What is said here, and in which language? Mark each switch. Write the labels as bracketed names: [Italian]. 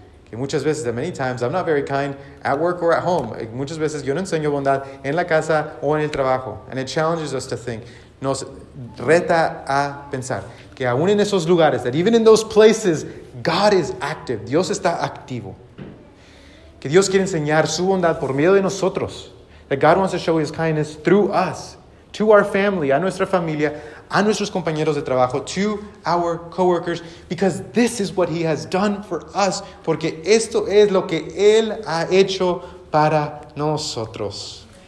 [Spanish] Que muchas veces, [English] that many times, I'm not very kind at work or at home. [Spanish] Muchas veces yo no enseño bondad en la casa o en el trabajo. [English] And it challenges us to think. [Spanish] Nos reta a pensar que aún en esos lugares, [English] that even in those places, God is active. [Spanish] Dios está activo. Que Dios quiere enseñar su bondad por medio de nosotros. [English] That God wants to show his kindness through us, to our family, [Spanish] a nuestra familia, a nuestros compañeros de trabajo, [English] to our coworkers, because this is what he has done for us. [Spanish] Porque esto es lo que él ha hecho para nosotros.